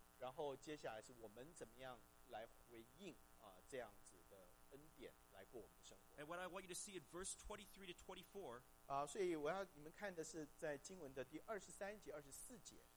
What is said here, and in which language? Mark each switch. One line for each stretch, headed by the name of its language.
Chinese: 然后接下来是我们怎么样来回应这样子的恩典来过我们的生活。
English: And what I want you to see in verse 23 to 24.
Chinese: 所以我要你们看的是在经文的第23节、24节。